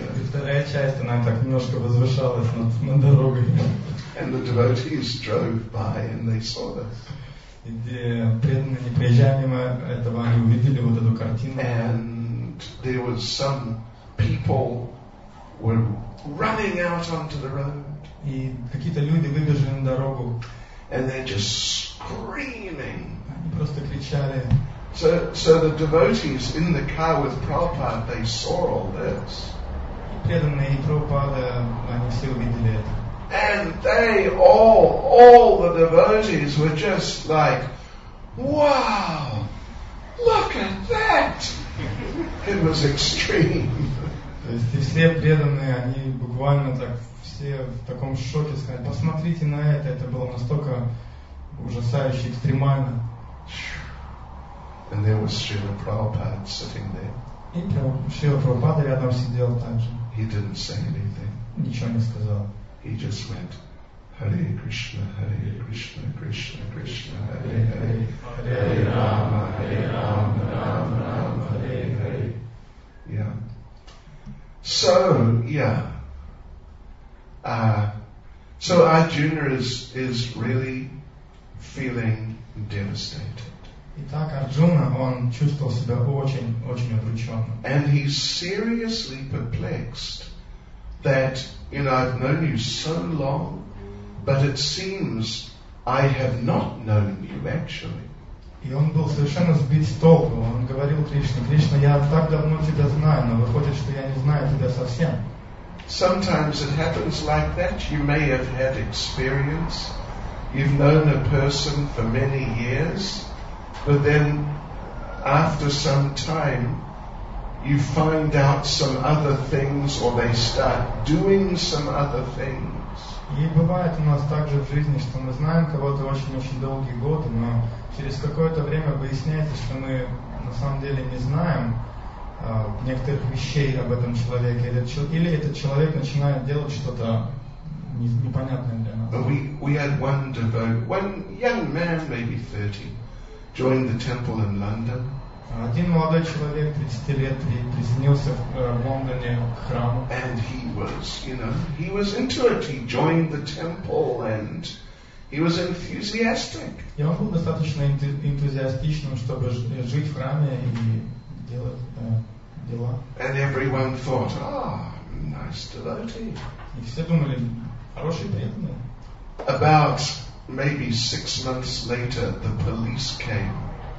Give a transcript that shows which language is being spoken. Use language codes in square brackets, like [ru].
[ru] Вторая часть, она так немножко возвышалась над дорогой. [en] And the devotees drove by and they saw this. [ru] И преданные, не приезжая мимо этого, они увидели вот эту картину. [en] And there was some people were running out onto the road. [ru] И какие-то люди выбежали на дорогу. [en] And they're just screaming. [ru] Они просто кричали. [en] So the devotees in the car with Prabhupada, they saw all this. [ru] Преданные и Прабхупада, они все увидели это. [en] And they all the devotees were just like, wow, look at that. It was extreme. [ru] То есть и все преданные, они буквально так все в таком шоке сказали, посмотрите на это было настолько ужасающе, экстремально. [en] And there was Srila Prabhupada sitting there. [ru] И Srila Prabhupada рядом сидел также. [en] He didn't say anything. [ru] Ничего не сказал. [sa] He just went, Hare Krishna, Hare Krishna, Krishna Krishna, Hare Hare, Hare Rama, Hare Rama, Rama Rama, Hare Hare. [en] Yeah. So, yeah. So Arjuna is really feeling devastated. [ru] Итак, Арджуна, он чувствовал себя очень-очень обречённым. [en] And he's seriously perplexed that, you know, I've known you so long, but it seems I have not known you actually. [ru] И он был совершенно сбит с толку. Он говорил Кришне, Кришна, я так давно тебя знаю, но выходит, что я не знаю тебя совсем. [en] Sometimes it happens like that. You may have had experience. You've known a person for many years. But then, after some time, you find out some other things, or they start doing some other things. [ru] И бывает у нас также в жизни, что мы знаем кого-то очень-очень долгие годы, но через какое-то время выясняется, что мы на самом деле не знаем некоторых вещей об этом человеке, или этот человек начинает делать что-то непонятное для нас. [en] We had one devotee, one young man, maybe 30. Joined the temple in London. [ru] Один молодой человек 30 лет присоединился в Лондоне к храму. [en] And he was, you know, he was into it. He joined the temple and he was enthusiastic. [ru] И он был достаточно энтузиастичным, чтобы жить в храме и делать дела. [en] And everyone thought, nice devotee. [ru] И все думали, хороший преданный. [en] About maybe 6 months later, the police came.